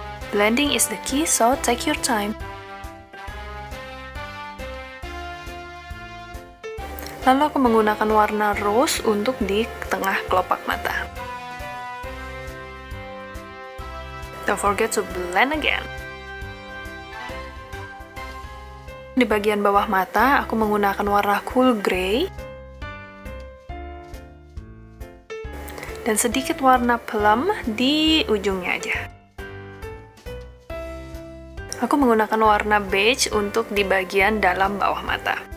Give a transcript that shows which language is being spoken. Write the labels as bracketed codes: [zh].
[en] Blending is the key, so take your time. [id] Lalu aku menggunakan warna rose untuk di tengah kelopak mata. [en] Don't forget to blend again. [id] Di bagian bawah mata, aku menggunakan warna cool gray dan sedikit warna plum di ujungnya aja. Aku menggunakan warna beige untuk di bagian dalam bawah mata.